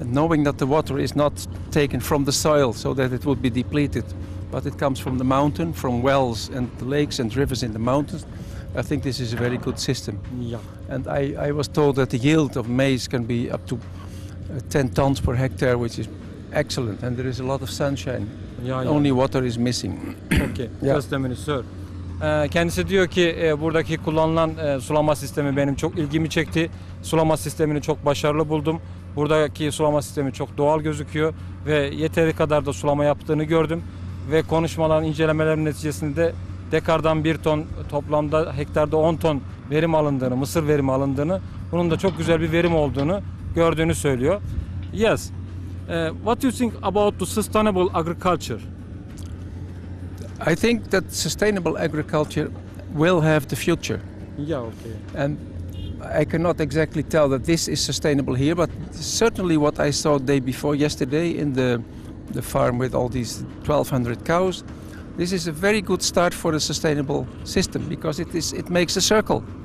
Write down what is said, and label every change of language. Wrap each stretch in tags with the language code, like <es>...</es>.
<en>And knowing that the water is not taken from the soil so that it would be depleted, but it comes from the mountain, from wells and lakes and rivers in the mountains, I think this is a very good system. Yeah. And I was told that the yield of maize can be up to 10 tons per hectare, which is excellent, and there is a lot of sunshine. Yeah, yeah. Only water is missing. Okay, yeah. Just a minute, sir.</en> <tr>Kendisi diyor ki buradaki kullanılan sulama sistemi benim çok ilgimi çekti. Sulama sistemini çok başarılı buldum. Buradaki sulama sistemi çok doğal gözüküyor ve yeteri kadar da sulama yaptığını gördüm. Ve konuşmaların, incelemelerin neticesinde de dekardan 1 ton, toplamda hektarda 10 ton verim alındığını, mısır verimi alındığını, bunun da çok güzel bir verim olduğunu gördüğünü söylüyor.</tr> <en>Yes, what do you think about the sustainable agriculture? I think that sustainable agriculture will have the future. Yeah, okay. And I cannot exactly tell that this is sustainable here, but certainly what I saw day before yesterday in the farm with all these 1,200 cows, this is a very good start for a sustainable system because it makes a circle.</en>